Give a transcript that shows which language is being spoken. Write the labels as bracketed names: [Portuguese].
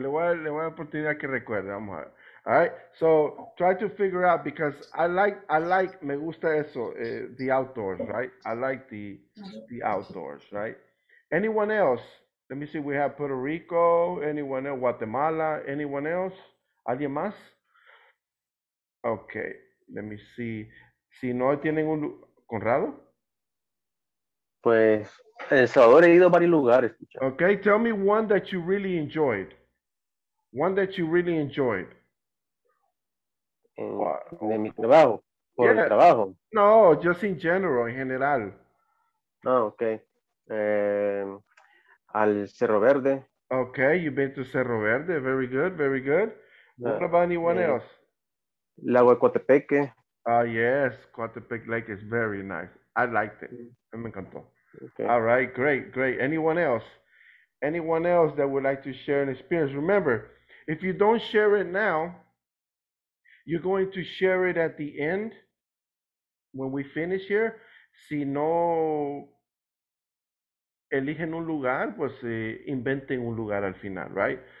[Spanish] Le voy a dar oportunidad que recuerde, vamos a ver. [English] All right, so try to figure out, because I like, [Spanish] me gusta eso, [English] the outdoors, right? I like the outdoors, right? Anyone else? Let me see, we have Puerto Rico, anyone else, Guatemala, anyone else? [Spanish] ¿Alguien más? [English] Okay, let me see. [Spanish] Si no tienen un, ¿Conrado? Pues, El Salvador, he ido a varios lugares. [English] Okay, tell me one that you really enjoyed. One that you really enjoyed. [Spanish] De mi trabajo, por yeah. El trabajo. [English] No, just in general, [Spanish] en general. Oh, okay. Al Cerro Verde. [English] Okay, you've been to Cerro Verde. Very good, very good. What about anyone else? [Spanish] Lago de Coatepeque. [English] Ah, yes. Coatepeque Lake is very nice. I liked it. Mm. [Spanish] Me encantó. [English] Okay. All right, great, great. Anyone else? Anyone else that would like to share an experience? Remember, if you don't share it now, you're going to share it at the end when we finish here. [Spanish] Si no... eligen un lugar, pues inventen un lugar al final, right?